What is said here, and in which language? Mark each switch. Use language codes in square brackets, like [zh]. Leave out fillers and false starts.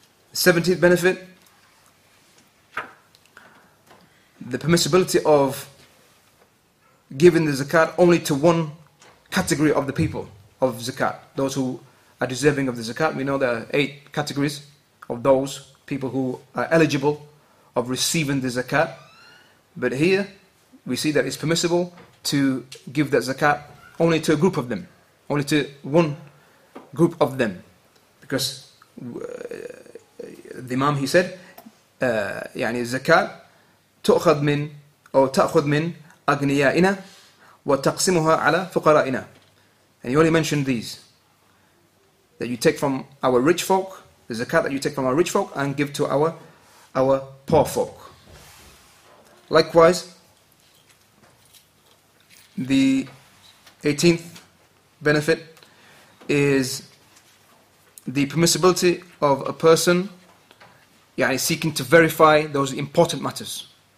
[en] The 17th benefit, the permissibility of giving the zakat only to one category of the people of zakat, those who are deserving of the zakat. We know there are 8 categories of those people who are eligible of receiving the zakat. But here, we see that it's permissible to give that zakat only to a group of them, only to one group of them. Because the Imam, he said, [ar] يعني الزكات تأخذ من أو تأخذ من أغنيائنا وتقسمها على فقرائنا. [en] And he only mentioned these, that you take from our rich folk, the zakat that you take from our rich folk and give to our poor folk. Likewise, the 18th benefit is the permissibility of a person seeking to verify those important matters.